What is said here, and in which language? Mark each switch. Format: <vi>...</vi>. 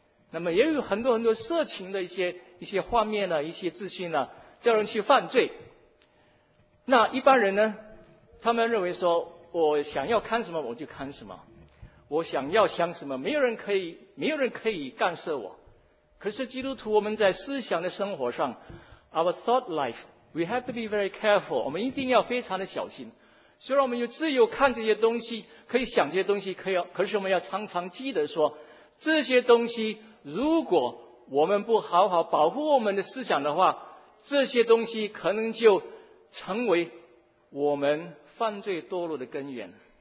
<zh>那么也有很多很多色情的一些画面呢，一些资讯呢，叫人去犯罪。那一般人呢，他们认为说，我想要看什么我就看什么，我想要想什么，没有人可以干涉我。可是基督徒，我们在思想的生活上 ，</zh> <en>our thought life。 We have to be very careful，</en> <zh>我们一定要非常的小心。虽然我们有自由看这些东西，可以想这些东西，可是我们要常常记得说，这些东西如果我们不好好保护我们的思想的话，这些东西可能就成为我们犯罪堕落的根源。</zh>